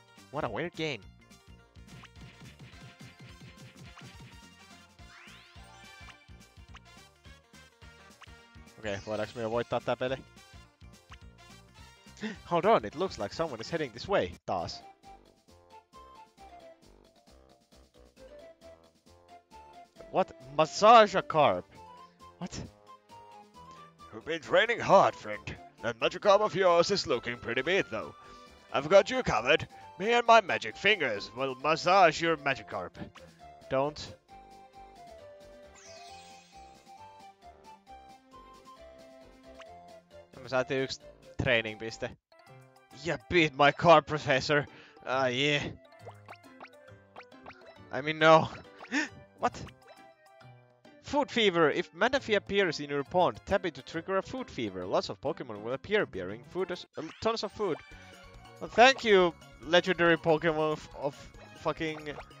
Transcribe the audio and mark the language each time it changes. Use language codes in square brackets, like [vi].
[en] What a weird game. [fi] Okay, voidaanko me jo voittaa tää peli? [en] Hold on, it looks like someone is heading this way, taas. What? Massage a carp? What? You've been training hard, friend. That Magikarp of yours is looking pretty beat, though. I've got you covered. Me and my magic fingers will massage your Magikarp. Don't. [fi] Me saatiin yksi training piste. [en] You beat my car, professor. Yeah. I mean, no. What? Food fever. If Manaphy appears in your pond, tap it to trigger a food fever. Lots of Pokemon will appear bearing food, tons of food. Well, thank you, legendary Pokemon of fucking...